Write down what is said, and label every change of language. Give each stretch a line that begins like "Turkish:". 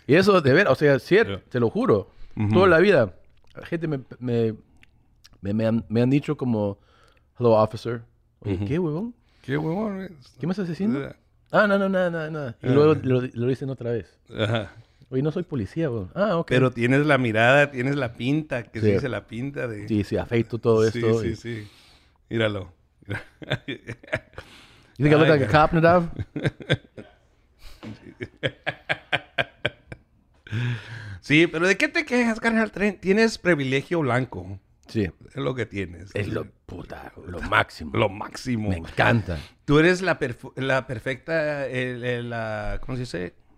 Spanish: Y eso, de ver, o sea, cierto, sí. Te lo juro. Uh-huh. Toda la vida, la gente me han dicho como,
English: hello, officer.
Spanish: Uh-huh. ¿Qué huevón? ¿Qué me estás diciendo? Uh-huh. No. Y luego lo dicen otra vez. Ajá. Uh-huh. Oye, no soy policía, bro. Ah, ok. Pero tienes la mirada, tienes la pinta, que sí. Se dice la pinta de... Sí, sí, afeito todo sí, esto. Sí, y... sí. Míralo.
English: You think I look like a cop, Nadav?
Spanish: Sí, pero ¿de qué te quejas, carnal? Tienes privilegio blanco. Sí. Es lo que tienes. Es lo puta, lo máximo. Lo máximo. Me encanta. Tú eres la perfecta, ¿cómo se dice?